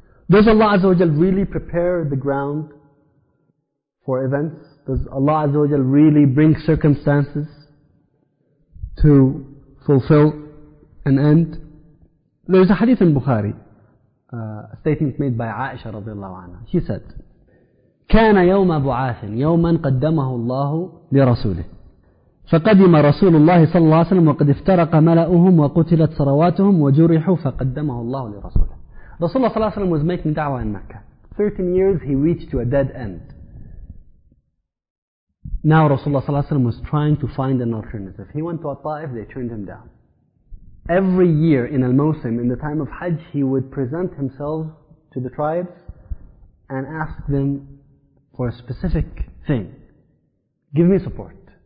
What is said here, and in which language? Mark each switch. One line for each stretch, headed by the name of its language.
English: Does Allah Azza wa Jalla really prepare the ground for events? Does Allah Azza wa Jalla really bring circumstances to fulfill an end? There is a hadith in Bukhari, a statement made by Aisha radiallahu anha. She said,
Arabic: كان يوم بعاث يوما قدمه الله لرسوله فقدم رسول الله صلى الله عليه وسلم وقد افترق ملأهم وقتلت ثرواتهم وجرحوا فقدمه الله لرسوله.
English: Rasulullah صلى الله عليه وسلم was making da'wah in Mecca. 13 years he reached to a dead end. Now Rasulullah صلى الله عليه وسلم was trying to find an alternative. He went to At-Ta'if, they turned him down. Every year in Al-Mawsim, in the time of Hajj, he would present himself to the tribes and ask them for a specific thing. Give me support.